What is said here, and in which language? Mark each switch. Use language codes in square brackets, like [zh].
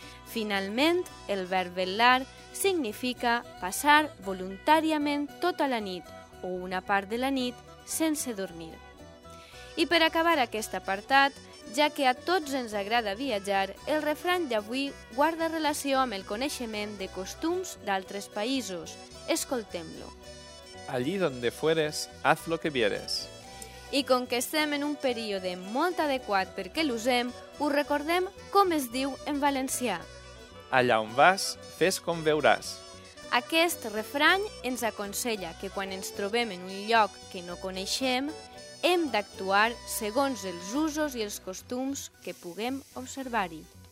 [ca] Finalment, el verb vellar significa passar voluntàriament tota la nit o una part de la nit sense dormir. I per acabar aquest apartat, ja que a tots ens agrada viatjar, el refrany d'avui guarda relació amb el coneixement de costums d'altres països. Escoltem-lo. [es] Allí donde fueres, haz lo que vieres. [ca] I com que estem en un període molt adequat perquè l'usem, us recordem com es diu en valencià. Allà on vas, fes com veuràs. Aquest refrany ens aconsella que quan ens trobem en un lloc que no coneixem, hem d'actuar segons els usos i els costums que puguem observar-hi.